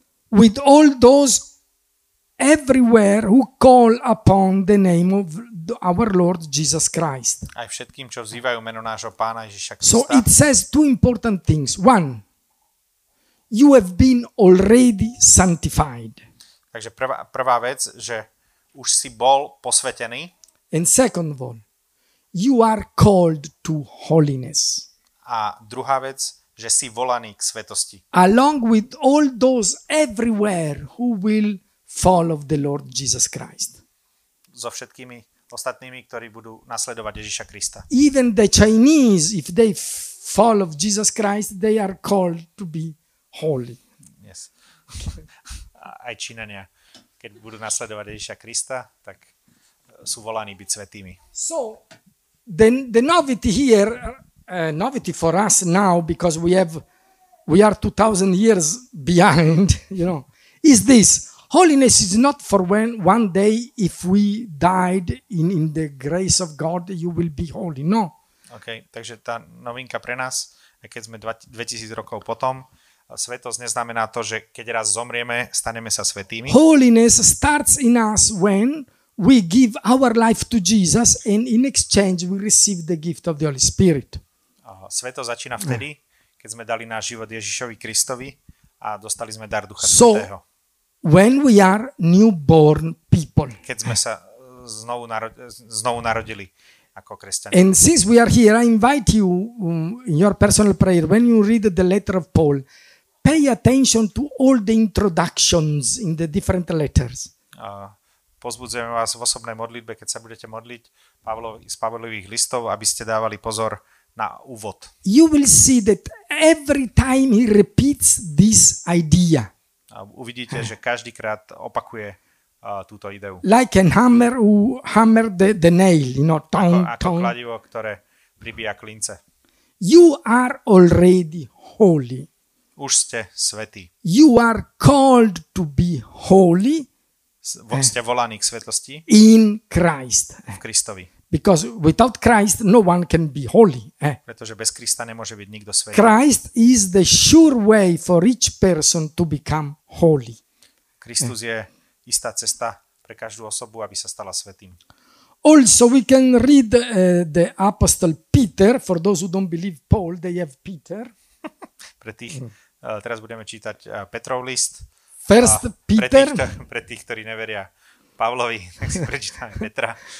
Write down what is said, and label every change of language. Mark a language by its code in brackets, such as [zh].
[en] With all those everywhere who call upon the name of our Lord Jesus Christ. [sk] Aj všetkým, čo vzývajú meno nášho Pána Ježiša Krista. [en] So it says two important things. One, you have been already sanctified. [sk] Takže prvá vec, že už si bol posvetený. [en] And second one, you are called to holiness. [sk] A druhá vec, že si volaný k svetosti. [en] Along with all those everywhere who will follow the Lord Jesus Christ. [sk] So všetkými ostatnými, ktorí budú nasledovať Ježiša Krista. [en] Even the Chinese, if they follow Jesus Christ, they are called to be holy. Yes. [sk] Aj Čínania, keď budú nasledovať Ježiša Krista, tak sú volaní byť svätými. [en] So, the novelty here, novelty for us now, because we are 2000 years behind, you know, is this. Holiness is not for when one day if we died in the grace of God you will be holy. No. [sk] Okay, takže tá novinka pre nás, keď sme 2000 rokov potom, svetosť neznamená to, že keď raz zomrieme, staneme sa svätými. [en] Holiness starts in us when we give our life to Jesus and in exchange we receive the gift of the Holy Spirit. [sk] Svetosť začína vtedy, keď sme dali náš život Ježišovi Kristovi a dostali sme dar Ducha Svätého. [en] So, when we are newborn people. [sk] Keď sme sa znovu narodili ako kresťania. [en] And since we are here, I invite you in your personal prayer, when you read the letter of Paul, pay attention to all the introductions in the different letters. [sk] Pozbudzujem vás v osobnej modlitbe, keď sa budete modliť z Pavlových listov, aby ste dávali pozor na úvod. [en] You will see that every time he repeats this idea. [sk] A uvidíte, že každýkrát opakuje túto ideu. [en] Like a hammer who hammer the nail, you know, tong, [sk] ako kladivo, ktoré pribíja klince. [en] You are already holy. [sk] Už ste svätí. [en] You are called to be holy. [sk] Ste volaní k svetlosti. [en] In Christ. [sk] V Kristovi. [en] Because without Christ no one can be holy. [sk] Pretože bez Krista nemôže byť nikto svätý. [en] Christ is the sure way for each person to become holy. [sk] Kristus je istá cesta pre každú osobu, aby sa stala svätým. [en] Also we can read the apostle Peter, for those who don't believe Paul, they have Peter. [sk] Pre tých, teraz budeme čítať Petrov list. [en] First Peter. [sk] Pre tých, ktorí neveria Pavlovi, tak si prečítame Petra.